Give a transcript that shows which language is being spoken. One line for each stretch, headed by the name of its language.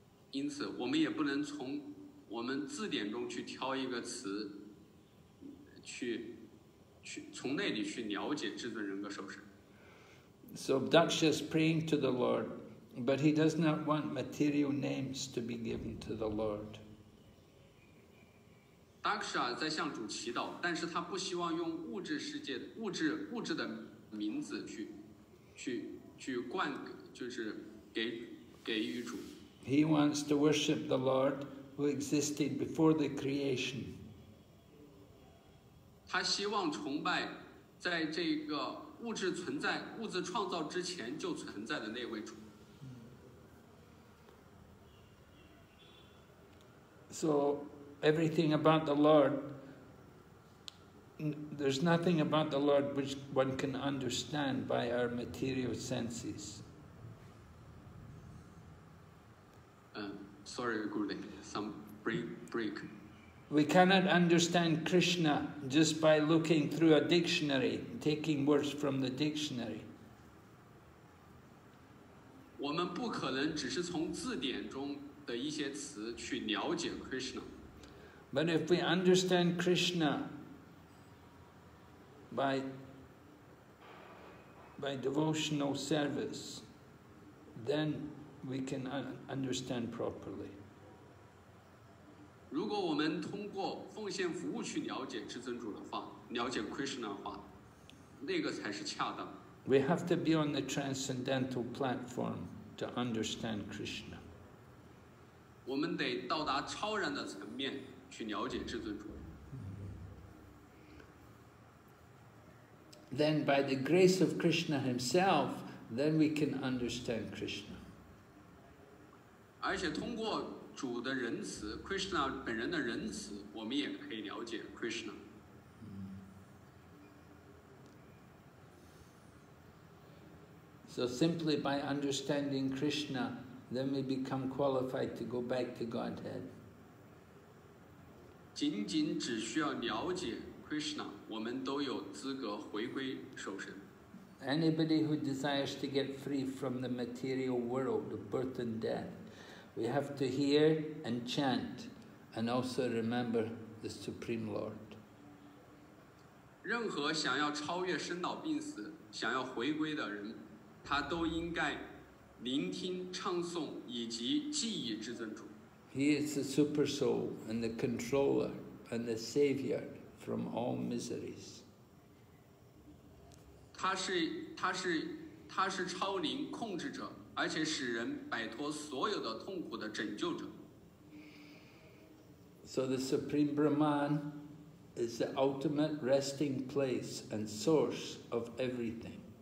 Chinese: 因此，我们也不能从我们字典中去挑一个词，去从那里去了解至尊人格首身。
English: So Daksha is praying to the Lord. But he does not want material names to be given to the Lord.
Chinese: Daksha 在向主祈祷，但是他不希望用物质世界的物质的名字去灌，就是给予主。
English: He wants to worship the Lord who existed before the creation.
Chinese: 他希望崇拜在这个物质存在、物质创造之前就存在的那位主。
English: So everything about the Lord, there's nothing about the Lord which one can understand by our material senses. Sorry, Gurudev, some break. We cannot understand Krishna just by looking through a dictionary, taking words from the dictionary.
Chinese: 我们不可能只是从字典中的一些词去了解 Krishna.
English: But if we understand Krishna by devotional service, then we can understand properly.
Chinese: 如果我们通过奉献服务去了解至尊主的话，了解 Krishna 的话，那个才是恰当。
English: We have to be on the transcendental platform to understand Krishna.
Chinese: 我们得到达超然的层面去了解至尊主。
English: Then by the grace of Krishna himself, then we can understand Krishna.
Chinese: 而且通过主的仁慈 ，Krishna 本人的仁慈，我们也可以了解 Krishna。
English: So simply by understanding Krishna. Then we become qualified to go back to Godhead.
Chinese: 仅仅只需要了解 Krishna， 我们都有资格回归受身。
English: Anybody who desires to get free from the material world of birth and death, we have to hear and chant and also remember the Supreme Lord.
Chinese: 任何想要超越生老病死、想要回归的人，他都应该聆听、唱诵以及记忆至尊主。
English: He is the super soul and the controller and the savior from all miseries.
Chinese: 他是超灵控制者，而且使人摆脱所有的痛苦的拯救者。
English: So the Supreme Brahman is the ultimate resting place and source of everything.